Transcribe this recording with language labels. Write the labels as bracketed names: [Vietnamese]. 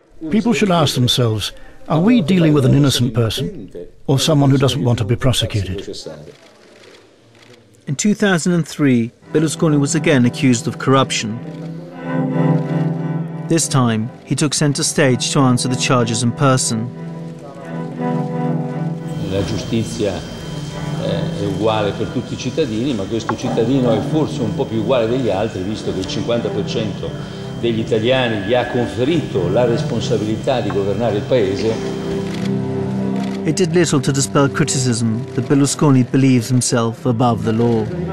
[English] People should ask themselves, are we dealing with an innocent person or someone who doesn't want to be prosecuted? In 2003, Berlusconi was again accused of corruption. This time, he took center stage to answer the charges in person. [Italian] La giustizia è uguale per tutti I cittadini, ma questo cittadino è forse un po' più uguale degli altri, visto che il 50% degli italiani gli ha conferito la responsabilità di governare il paese. [English] It did little to dispel criticism that Berlusconi believes himself above the law.